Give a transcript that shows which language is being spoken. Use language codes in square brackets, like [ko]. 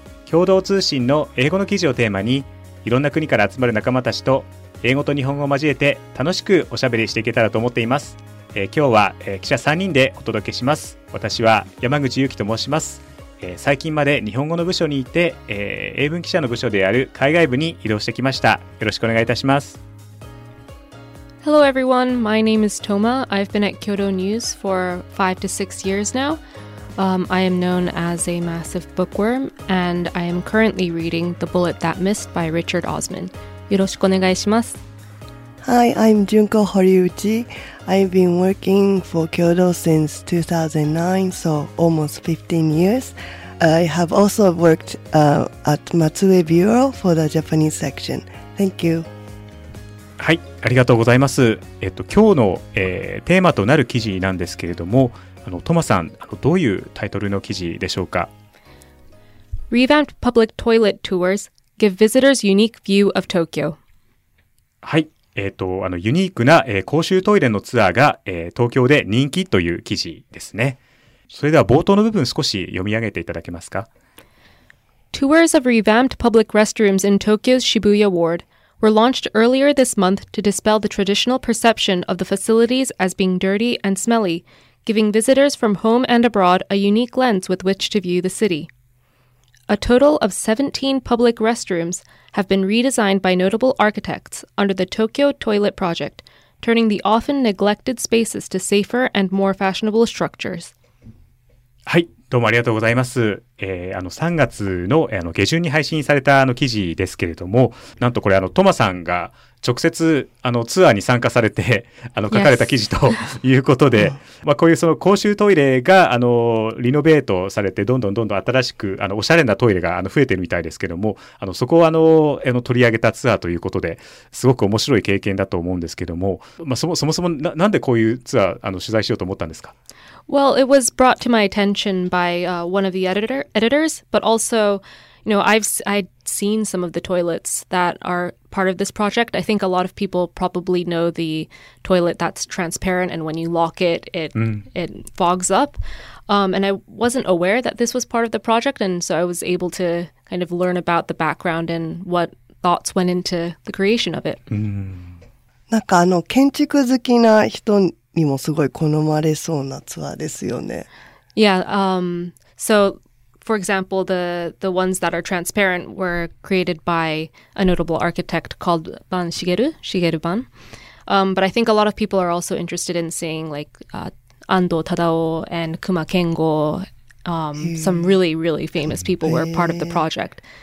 [ja] 共同通信の英語の記事をテーマに、いろんな国から集まる仲間たちと英語と日本語を交えて楽しくおしゃべりしていけたらと思っています。今日は、記者3人でお届けします。私は山口祐樹と申します。最近まで日本語の部署にいて、英文記者の部署である海外部に移動してきました。よろしくお願いいたします。 [en] Hello everyone, my name is Toma. I've been at Kyoto News for 5 to 6 years now. I am known as a massive bookworm and I am currently reading The Bullet That Missed by Richard Osman. [ja] よろしくお願いします。 [en] Hi, I'm Junko Horiuchi. I've been working for Kyoto since 2009, so almost 15 years. I have also worked at Matsue Bureau for the Japanese section. Thank you. [ja] はい、ありがとうございます。今日の、テーマとなる記事なんですけれども、トマさん、どういうタイトルの記事でしょうか？ [en] Revamped public toilet tours give visitors unique view of Tokyo. [ja] はい。ユニークな、公衆トイレのツアーが、東京で人気という記事ですね。それでは冒頭の部分少し読み上げていただけますか。 [en] Tours of revamped public restrooms in Tokyo's Shibuya Ward were launched earlier this month to dispel the traditional perception of the facilities as being dirty and smelly, giving visitors from home and abroad a unique lens with which to view the city. A total of 17 public restroomsHave been redesigned by notable architects under the Tokyo Toilet Project, turning the often neglected spaces to safer and more fashionable structures. [ja] はい、どうもありがとうございます。3月の、下旬に配信された記事ですけれども、なんとこれトマさんが直接ツアーに参加されて書かれた記事ということで、 [en] yes. [ja] こういうその公衆トイレがリノベートされて、どんどん新しくおしゃれなトイレが増えてるみたいですけども、そこを取り上げたツアーということで、すごく面白い経験だと思うんですけども、そもそも なんでこういうツアー取材しようと思ったんですか？ [en] Well, it was brought to my attention by、one of the editors, but also, you know, I'd seen some of the toilets that arePart of this project. I think a lot of people probably know the toilet that's transparent, and when you lock it, it fogs up. And I wasn't aware that this was part of the project, and so I was able to kind of learn about the background and what thoughts went into the creation of it. [ja] なんか建築好きな人にもすごい好まれそうなツアーですよね。 [en] Yeah. So. For example, the ones that are transparent were created by a notable architect called Ban Shigeru Ban. But I think a lot of people are also interested in seeing Ando Tadao and Kuma Kengo. Some really, really famous people were part of the project.